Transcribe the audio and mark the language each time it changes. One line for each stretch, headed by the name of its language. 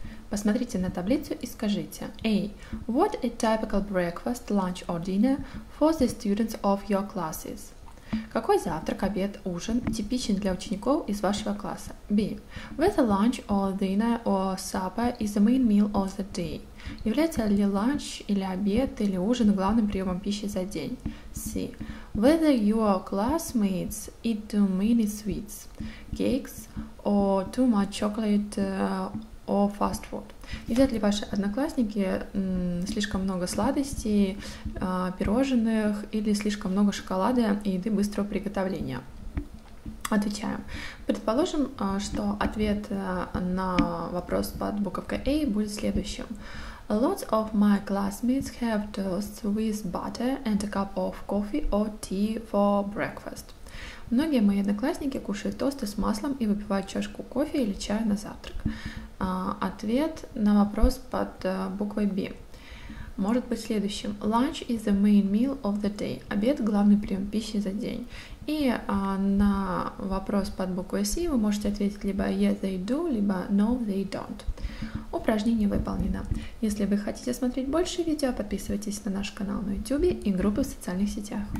Russian: Посмотрите на таблицу и скажите.
English: A. What a typical breakfast, lunch or dinner for the students of your classes?
Russian: Какой завтрак, обед, ужин типичен для учеников из вашего класса?
English: B. Whether lunch or dinner or supper is the main meal of the day?
Russian: Является ли ланч или обед или ужин главным приемом пищи за день?
English: C. Whether your classmates eat too many sweets, cakes or too much chocolate or fast food?
Russian: Едят ли ваши одноклассники слишком много сладостей, пирожных или слишком много шоколада и еды быстрого приготовления? Отвечаем. Предположим, что ответ на вопрос под буковкой A будет следующим.
English: Lots of my classmates have toast with butter and a cup of coffee or tea for breakfast.
Russian: Многие мои одноклассники кушают тосты с маслом и выпивают чашку кофе или чая на завтрак. Ответ на вопрос под буквой B может быть следующим.
English: Lunch is the main meal of the day.
Russian: Обед – главный прием пищи за день. И на вопрос под буквой C вы можете ответить либо
English: yes, they do,
Russian: либо
English: no, they don't.
Russian: Упражнение выполнено. Если вы хотите смотреть больше видео, подписывайтесь на наш канал на YouTube и группы в социальных сетях.